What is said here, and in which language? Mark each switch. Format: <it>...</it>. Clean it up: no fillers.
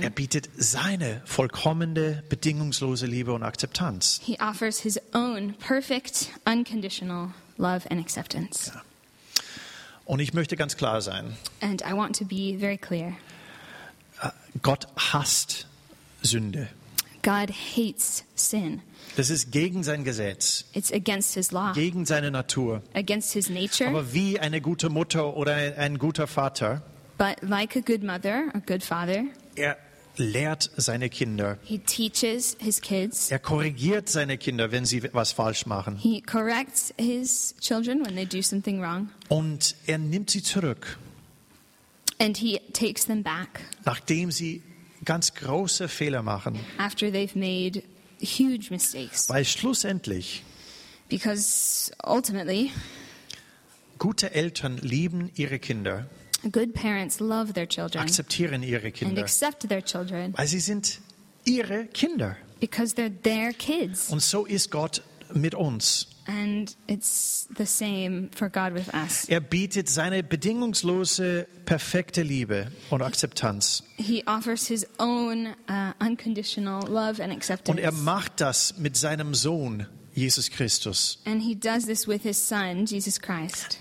<de>Er bietet seine vollkommene, bedingungslose Liebe und Akzeptanz.</de> <en>He offers his own perfect, unconditional love and acceptance.</en> <de>Ja. Und ich möchte ganz klar sein.</de> <en>And I want to be very clear.</en> <de>Gott hasst Sünde.</de> <en>God hates sin.</en> <de>Das ist gegen sein Gesetz.</de> <en>It's against his law.</en> <de>Gegen seine Natur.</de> <en>Against his nature.</en> <de>Aber wie eine gute Mutter oder ein guter Vater.</de> <en>But like a good mother, a good father,</en> <de>er lehrt seine Kinder.</de> <en>He teaches his kids.</en> <de>Er korrigiert seine Kinder, wenn sie was falsch machen.</de> <en>He corrects his children when they do something wrong.</en> <de>Und er nimmt sie zurück.</de> <en>And he takes them back.</en> <de>Nachdem sie ganz große Fehler machen.</de> <en>After they've made huge mistakes.</en> <de>Weil schlussendlich.</de> <en>Because ultimately.</en> <de>Gute Eltern lieben ihre Kinder.</de> <en>Good parents love their children.</en> <de>Akzeptieren ihre Kinder.</de> <en>And accept their children.</en> <de>Weil sie sind ihre Kinder.</de> <en>Because they're their kids.</en> <de>Und so ist Gott mit uns.</de> <en>And it's the same for God with us.</en> <de>Er bietet seine bedingungslose, perfekte Liebe und Akzeptanz.</de> <en>He offers his own unconditional love and acceptance.</en> <de>Und er macht das mit seinem Sohn. Jesus Christus.</de> <en>And he does this with his son, Jesus Christ.</en>